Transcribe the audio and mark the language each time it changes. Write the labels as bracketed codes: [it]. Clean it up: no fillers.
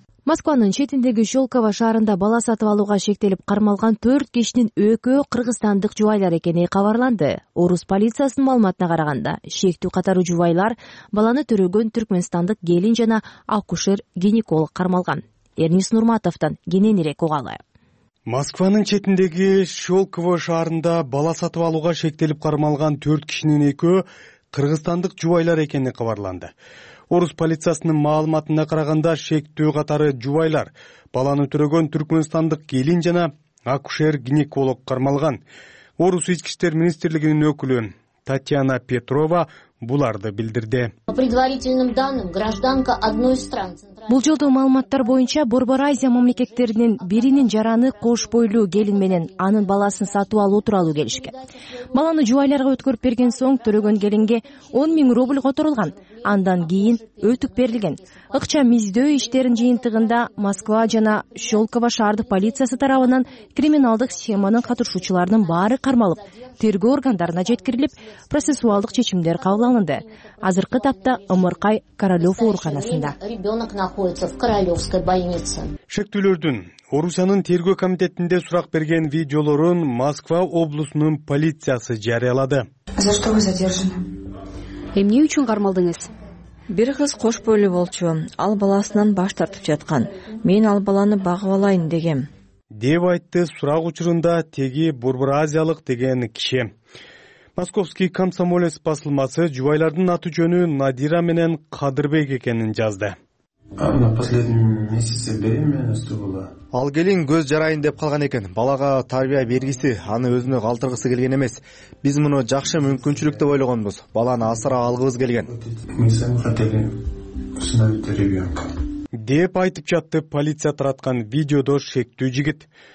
[ky] Москванын четиндеги Щелково шаарында бала сатып алууга шектелип кармалган 4 кишинин экөө кыргызстандык жубайлар экени кабарланды. Орус полициясынын маалыматына караганда, шектүү катары жубайлар баланы төрөгөн түркмөнстандык келин жана акушер-гинеколог кармалган. Эрнис Нурматовдон кененирээк угалы. Москванын четиндеги Щелково шаарында бала сатып алууга шектелип кармалган 4 кишинин экөө кыргызстандык жубайлар экени кабарланды. Орус полициясынын маалыматына караганда шектүү катары жубайлар баланы төрөгөн түркмөнстандык келин жана акушер-гинеколог кармалган. Орус ички иштер министрлигинин өкүлү Татьяна Петрова буларды билдирди. [ru] По предварительным данным, гражданка одной из стран. [ky] Болжолдуу маалыматтар боюнча Борбор Азия мамлекеттеринин биринин жараны кош бойлуу келин менен анын баласын сатып алуу тууралуу келишкен. Баланы жубайларга өткөрүп берген соң төрөгөн келинге 10,000 рубль которулган. Андан кийин өтүк берилген. Акча миздөө иштерин жыйынтыгында Москва жана Щелково шаардык полициясы тарабынан криминалдык схеманын катышуучуларынын баары кармалып, тергөө органдарына жеткирилип, процессуалдык чечимдер кабылданды. Азыркы тапта Ымыркай Королёв ооруканасында. [ru] Ребёнок находится в Королёвской больнице. [ky] Шектүүлөрдүн Орусиянын тергөө комитетинде сурак берген видеолорун Москва облусунун полициясы жарыялады. [ru] За что вы задержаны? [ky] Эмне үчүн кармалдыңыз? Бир кыз кош бойлуу болчу, ал баласынан баш тартып жаткан. Мен ал баланы багып алайын дегем. Деп айтты сурак учурунда теги Борбор Азиялык деген киши. Московский комсомолец басылмасы жубайлардын аты жөнү Надира менен Кадырбек экенин жазды. Анда [ru] последний месяц беременность была. [ky] Ал келин көз жарайын деп калган экен. Балага тарбия бергиси, аны өзүнө калтыргысы келген эмес. Биз муну жакшы мүмкүнчүлүк деп ойлогонбуз. Баланы асырап алгыбыз келген. Деп айтып жатты полиция тараткан видеодо шектүү жигит.